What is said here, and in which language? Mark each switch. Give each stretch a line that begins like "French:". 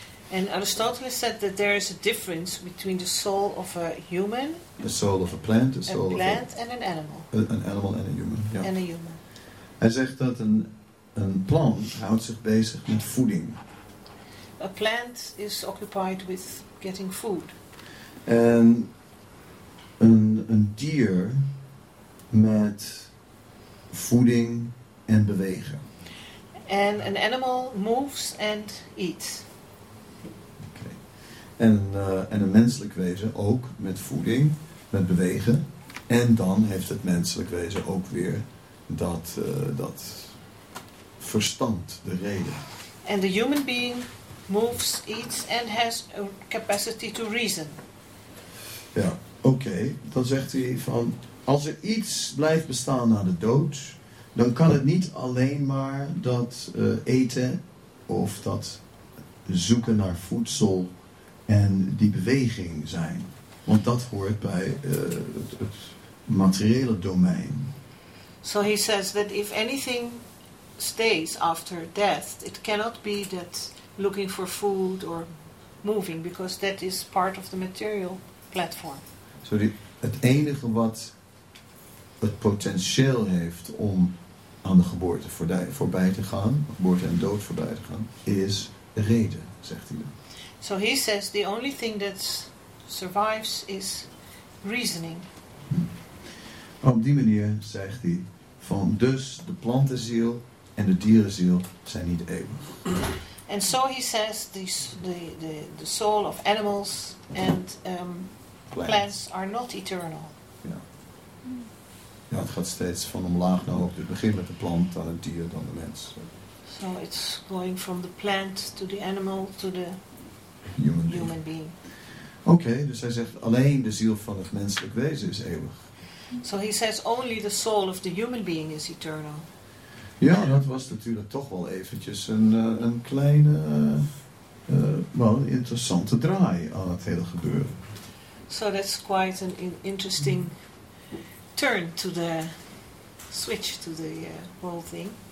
English: And Aristotle said that there is a difference between the soul of a human, the soul of a plant, the soul plant of and an animal. An animal and a human. Yeah. And a human.
Dutch: Hij zegt dat een plant houdt zich bezig met voeding.
English: A plant is occupied with getting food.
Dutch: En een dier met voeding en bewegen.
English: And an animal moves and eats. Okay.
Dutch: En een menselijk wezen ook met voeding, met bewegen. En dan heeft het menselijk wezen ook weer dat verstand, de reden.
English: And the human being moves, eats and has a capacity to reason.
Dutch: Ja, oké. Dan zegt hij van, als er iets blijft bestaan na de dood, dan kan het niet alleen maar dat eten of dat zoeken naar voedsel en die beweging zijn. Want dat hoort bij het materiële domein.
English: So he says that if anything stays after death, it cannot be that looking for food or moving, because that is part of the material platform.
Dutch: So het enige wat het potentieel heeft om aan de geboorte voorbij te gaan, geboorte en dood voorbij te gaan, is reden, zegt hij dan.
English: So he says the only thing that survives is reasoning. Hmm.
Dutch: Op die manier zegt hij van, dus de plantenziel en de dierenziel zijn niet eeuwig.
English: And so he says the soul of animals and plants are not eternal.
Dutch: Ja, het gaat steeds van omlaag naar op. Het begin met de plant, dan het dier, dan de mens.
English: So it's going from the plant to the animal to the human being.
Dutch: Okay, dus hij zegt alleen de ziel van het menselijk wezen is eeuwig.
English: So he says only the soul of the human being is eternal.
Dutch: Ja, dat was natuurlijk toch wel eventjes een kleine, wel interessante draai aan het hele gebeuren.
English: So that's quite an interesting turn to the switch to the whole thing.